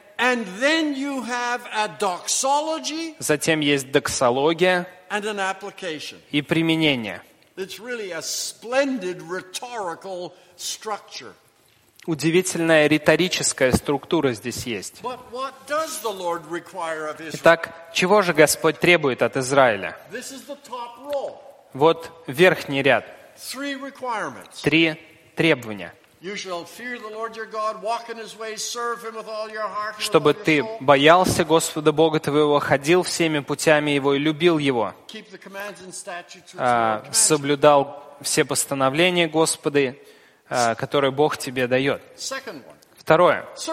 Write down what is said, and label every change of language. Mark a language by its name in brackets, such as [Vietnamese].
[English] And then you have a doxology, [Russian] затем есть доксология [English] and an application. [Russian] И применение. [English] It's really a splendid rhetorical structure. [Russian] Удивительная риторическая структура здесь есть. [English] But what does the Lord require of Israel? [Russian] Итак, чего же Господь требует от Израиля? [English] This is the top row. [Russian] Вот верхний ряд. [English] Three requirements. [Russian] Три требования. [English] You shall fear the Lord your God, walk in His ways, serve Him with all your heart. [Russian] Чтобы ты боялся Господа Бога твоего, ходил всеми путями Его и любил Его. [English] Keep the commands and statutes. [Russian] Соблюдал все постановления Господа, которые Бог тебе дает. Второе.